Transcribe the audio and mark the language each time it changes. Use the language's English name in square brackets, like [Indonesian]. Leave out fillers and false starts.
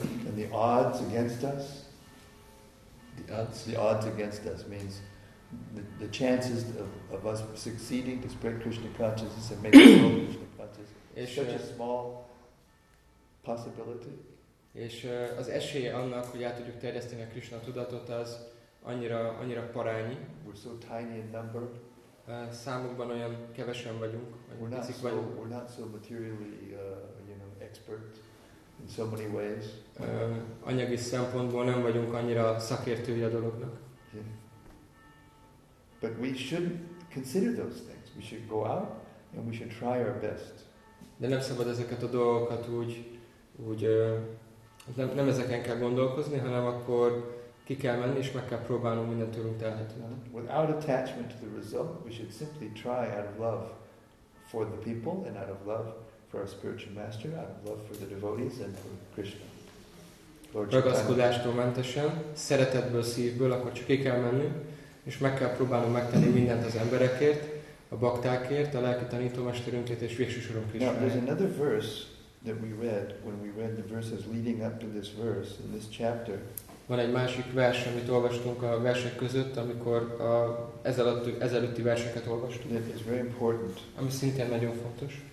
[English] And the odds against us. The odds. The odds against us means the chances of us succeeding to spread Krishna consciousness and make Krishna consciousness such a small possibility. [Hungarian] És az esélye annak, hogy át tudjuk terjeszteni a Krishna tudatot, az annyira parányi. [English] We're so tiny in number. [Hungarian] Számukban olyan kevesen vagyunk, olyan picik vagyunk. [English] We're not so materially, expert in so many ways. [Hungarian] Anyagi szempontból nem vagyunk annyira szakértői a dolognak. [English] Yeah. But we should consider those things. We should go out and we should try our best. [Hungarian] De nem szabad ezeket a dolgokat úgy nem ezeken kell gondolkozni, hanem akkor ki kell menni és meg kell próbálnunk minden tőlünk telhetőt. [English] Without attachment to the result, we should simply try out of love for the people and out of love for our spiritual master, out of love for the devotees and for Krishna. [Hungarian] Ragaszkodástól mentesen, szeretetből, szívből, akkor csak ki kell menni és meg kell próbálnunk megtenni mindent az emberekért, a baktákért, a lelki tanítómesterünkért és végsősoron Krishnáért. [English] Now there's another verse that we read when we read the verses leading up to this verse in this chapter. [Hungarian] Van egy másik vers, amit olvastunk a versek között, amikor ezelőtti verseket olvastunk. [English] That is very important. [Hungarian] Ami szintén nagyon fontos.